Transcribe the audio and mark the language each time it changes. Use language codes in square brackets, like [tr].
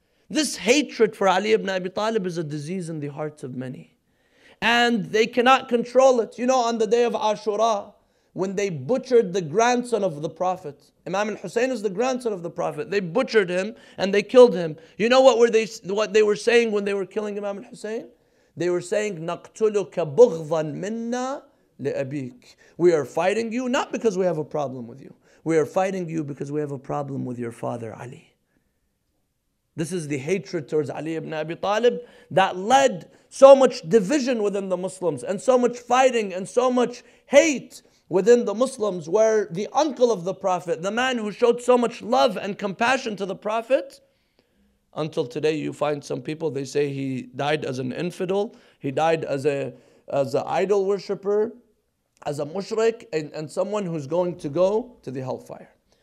[en] This hatred for Ali ibn Abi Talib is a disease in the hearts of many. And they cannot control it. You know, on the day of Ashura, when they butchered the grandson of the Prophet, Imam al-Hussein is the grandson of the Prophet, they butchered him and they killed him. You know what they were saying when they were killing Imam al-Hussein? [ar] They were saying, نَقْتُلُكَ بُغْضًا مِنَّا لِأَبِيكَ. [en] We are fighting you not because we have a problem with you. We are fighting you because we have a problem with your father, Ali. This is the hatred towards Ali ibn Abi Talib that led so much division within the Muslims and so much fighting and so much hate within the Muslims, where the uncle of the Prophet, the man who showed so much love and compassion to the Prophet, until today you find some people, they say he died as an infidel, he died as a idol worshipper, as a mushrik, and someone who's going to go to the hellfire.